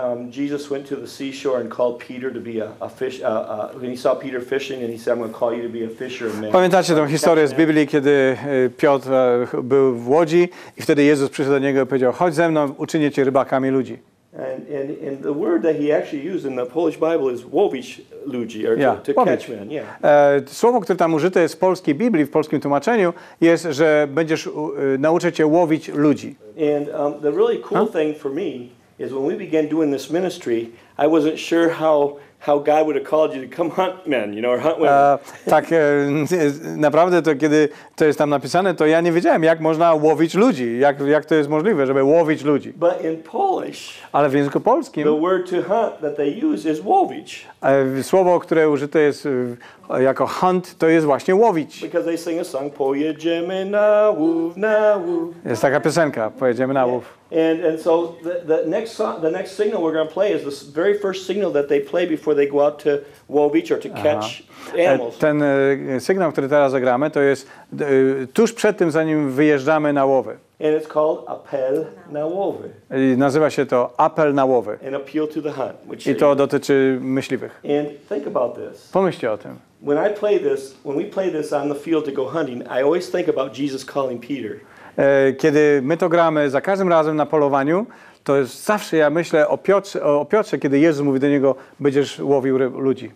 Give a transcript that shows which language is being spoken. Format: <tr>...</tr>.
<en>Jesus went to the seashore and called Peter to be a fish. When he saw Peter fishing, and he said, "I'm going to call you to be a fisher of men."</en> <pl>Pamiętacie tę historię z Biblii, kiedy Piotr był w łodzi i wtedy Jezus przyszedł do niego i powiedział: "Chodź ze mną, uczynię cię rybakami ludzi."</pl> <en>And the word that he actually used in the Polish Bible is</en> <pl>"łowić ludzi"</pl> <en>or to catch men. Yeah.</en> <pl>Słowo, które tam użyte jest w polskiej Biblii, w polskim tłumaczeniu, jest, że będziesz nauczyć cię łowić ludzi.</pl> <en>And the really cool thing for me is when we began doing this ministry, I wasn't sure how God would have called you to come hunt men, you know, or hunt women.</en> <pl>Tak, naprawdę to kiedy to jest tam napisane, to ja nie wiedziałem, jak można łowić ludzi, jak to jest możliwe, żeby łowić ludzi.</pl> <en>But in Polish,</en> <pl>ale w języku polskim,</pl> <en>the word to hunt that they use is łowić.</en> <pl>Słowo, które użyte jest jako hunt, to jest właśnie łowić.</pl> <en>Because they sing a song,</en> <pl>pojedziemy na łów, na łów. Jest taka piosenka, pojedziemy na łów.</pl> <en>And so the next signal we're going to play is the very first signal that they play before they go out to łowić or to catch animals.</en> <pl>Ten sygnał, który teraz zagramy, to jest tuż przed tym, zanim wyjeżdżamy na łowy.</pl> <en>And it's called</en> <pl>apel na łowy. I nazywa się to apel na łowy.</pl> <en>An appeal to the hunt, which</en> <pl>i to dotyczy myśliwych.</pl> <en>And think about this.</en> <pl>Pomyślcie o tym.</pl> <en>When we play this on the field to go hunting, I always think about Jesus calling Peter.</en> <pl>Kiedy my to gramy za każdym razem na polowaniu, to jest zawsze ja myślę o Piotrze, kiedy Jezus mówi do niego, będziesz łowił ludzi.</pl>